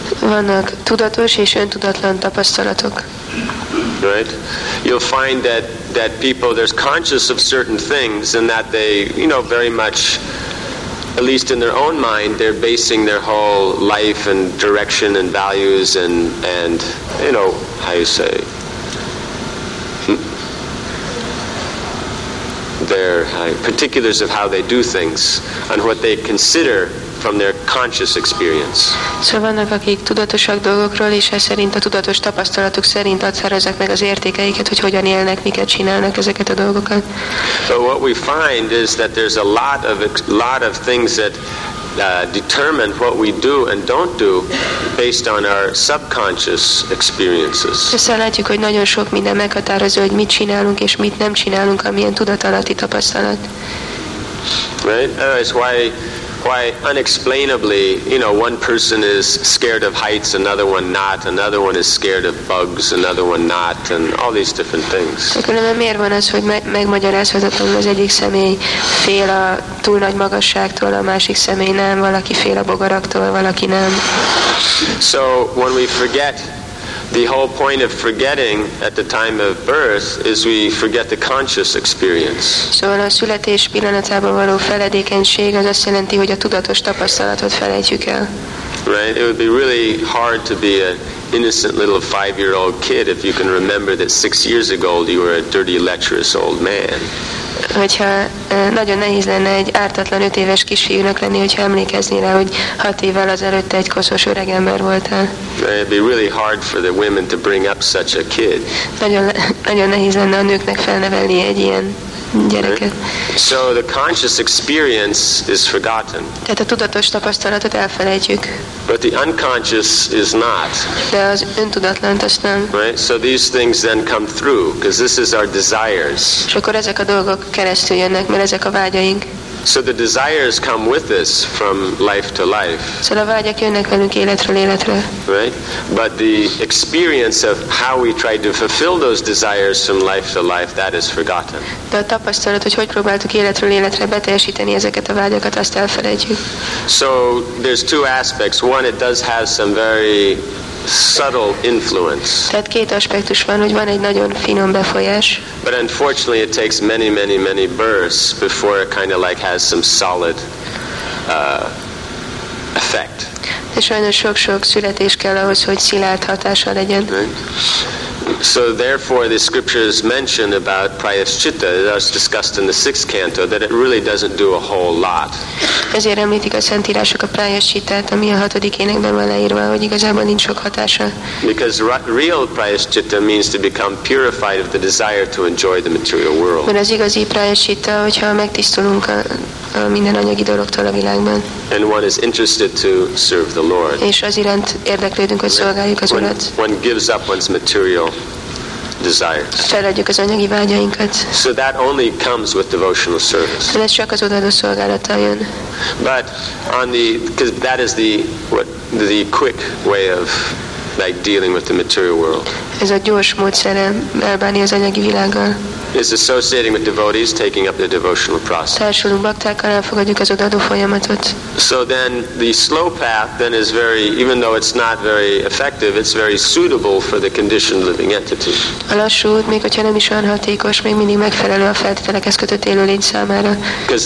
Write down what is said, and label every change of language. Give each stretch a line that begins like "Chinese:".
Hungarian: Vannak tudatos és öntudatlan tapasztalatok.
English: Right? You'll find that people, there's conscious of certain things, and that they, you know, very much, at least in their own mind, they're basing their whole life and direction and values and you know, how you say, their particulars of how they do things and what they consider from their conscious experience.
Hungarian: So vannak, akik tudatosak dolgokról, és ez szerint a tudatos tapasztalatuk szerint adszerezek meg az értékeiket, hogy hogyan élnek, miket csinálnak ezeket a dolgokat.
English: So what we find is that there's a lot of things that determine what we do and don't do based on our subconscious experiences.
Hungarian: Szóval látjuk, hogy nagyon sok minden meghatározó, hogy mit csinálunk és mit nem csinálunk, amilyen tudatalatti tapasztalat.
English: Right? That's why unexplainably, you know, one person is scared of heights, another one not, another one is scared of bugs, another one not, and all these different things.
Hungarian: Különben miért van az, hogy megmagyarázhatatlan, az egyik személy fél a túl nagy magasságtól, a másik személy nem, valaki fél a bogaraktól, valaki nem.
English: So when we forget, the whole point of forgetting at the time of birth is we forget the conscious experience.
Hungarian: Szóval a születés pillanatában való feledékenység az azt jelenti, hogy a tudatos tapasztalatot felejtjük el.
English: Right? It would be really hard to be an innocent little five-year-old kid if you can remember that 6 years ago you were a dirty, lecherous old man.
Hungarian: Hogyha nagyon nehéz lenne egy ártatlan 5 éves kisfiúnak lenni, hogyha emlékezni rá, hogy 6 évvel azelőtt egy koszos öreg ember voltál.
English: It'd be really hard for the women to bring up such a kid.
Hungarian: Nagyon nehéz lenne a nőknek felnevelni egy ilyen gyereket.
English: So the conscious experience is forgotten.
Hungarian: Tehát a tudatos tapasztalatot elfelejtjük.
English: But the unconscious is not.
Hungarian: De az öntudatlant azt nem.
English: Right? So these things then come through, because this is our desires.
Hungarian: És akkor ezek a dolgok keresztül jönnek, mert ezek a vágyaink.
English: So the desires come with us from life to life.
Hungarian: Szóval a vágyak jönnek velünk életről életre.
English: Right? But the experience of how we try to fulfill those desires from life to life, that is forgotten.
Hungarian: De a tapasztalat, hogy hogy próbáltuk életről életre beteljesíteni ezeket a vágyakat, azt elfelejtjük.
English: So there's two aspects. One, it does have some very subtle influence.
Hungarian: Tehát két aspektus van, hogy van egy nagyon finom befolyás.
English: But unfortunately it takes many, many, many births before it kind of like has some solid effect.
Hungarian: De sajnos sok-sok születés kell ahhoz, hogy szilárd hatása legyen.
English: Right? So therefore the scriptures mention about prayaschitta, as discussed in the sixth canto, that it really doesn't do a whole lot.
Hungarian: Ezért említik a szentírások a prayaschittát, ami a hatodik énekben van leírva, hogy igazából nincs sok hatása.
English: Because real prayaschitta means to become purified of the desire to enjoy the material world.
Hungarian: Mert az igazi prayaschitta, hogyha megtisztulunk a minden anyagi dologtól a világban.
English: And one is interested to serve the Lord.
Hungarian: És az iránt érdeklődünk, hogy szolgáljuk az Urat.
English: One gives up one's material desires.
Hungarian: Feladjuk az anyagi vágyainkat.
English: So that only comes with devotional service.
Hungarian: Ez csak az odaadó szolgálattal jön.
English: But on the, because that is the what the quick way of like dealing with the material world.
Hungarian: Ez a gyors módszere elbánni az anyagi világgal.
English: Is associating with devotees, taking up the devotional process. So then the slow path then is very, even though it's not very effective, it's very suitable for the conditioned living entity. Because